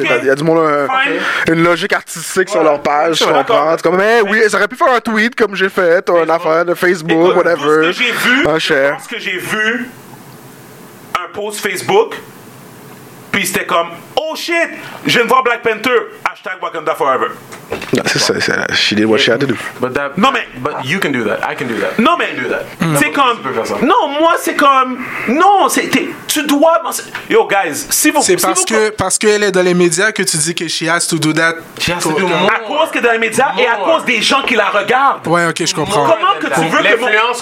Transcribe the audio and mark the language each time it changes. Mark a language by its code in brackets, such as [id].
[fr] Il y a du monde une logique artistique sur leur page. Je comprends. Comme, mais oui, ils auraient pu faire un tweet comme j'ai fait, ou une affaire de Facebook, whatever. Ce que j'ai vu, un post Facebook. Puis c'était comme, [en] oh shit, [fr] je viens de voir Black Panther, hashtag Wakanda Forever. Non, c'est ça, [en] she did what she had to do. But that, [fr] non mais, [en] but you can do that, I can do that. [fr] Non mais, c'est comme, non, moi c'est comme, non, c'est, tu dois, [en] yo guys, [fr] si vous... C'est parce, que, vous, parce qu'elle est dans les médias que tu dis que [en] she has to do that. She has to do more. [fr] À cause que dans les médias more. Et à cause des gens qui la regardent. Ouais, ok, je comprends. Comment que tu veux l'influence